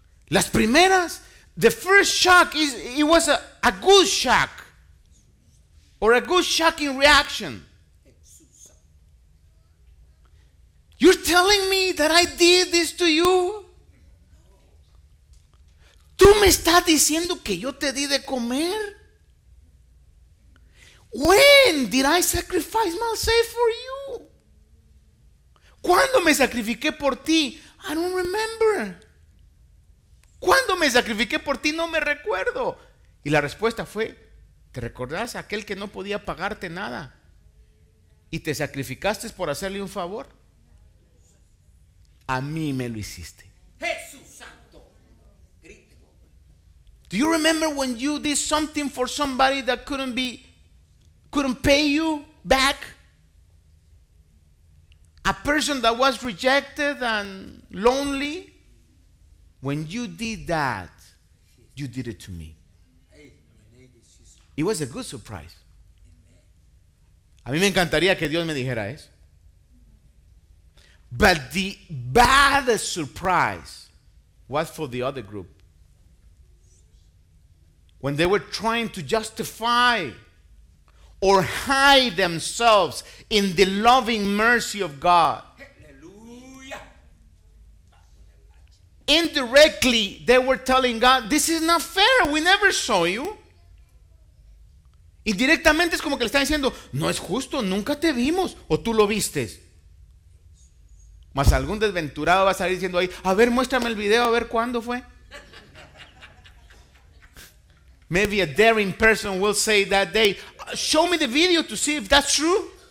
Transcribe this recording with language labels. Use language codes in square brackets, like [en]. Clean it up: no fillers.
[es] Las primeras, [en] the first shock is, it was a good shock, or a good shocking reaction. You're telling me that I did this to you? [es] ¿Tú me estás diciendo que yo te di de comer? [en] When did I sacrifice myself for you? [es] ¿Cuándo me sacrifiqué por ti? [en] I don't remember. [es] ¿Cuándo me sacrifiqué por ti? No me recuerdo. Y la respuesta fue: ¿te recordás a aquel que no podía pagarte nada y te sacrificaste por hacerle un favor? A mí me lo hiciste. Jesús Santo. [en] Do you remember when you did something for somebody that couldn't pay you back? A person that was rejected and lonely. When you did that, you did it to me. It was a good surprise. [es] A mí me encantaría que Dios me dijera eso. [en] But the bad surprise was for the other group. When they were trying to justify or hide themselves in the loving mercy of God. Hallelujah. Indirectly, they were telling God, this is not fair, we never saw you. [es] Y directamente es como que le están diciendo, no es justo, nunca te vimos, o tú lo vistes. Mas algún desventurado va a salir diciendo ahí, a ver, muéstrame el video, a ver cuándo fue. [en] Maybe a daring person will say that day, show me the video to see if that's true.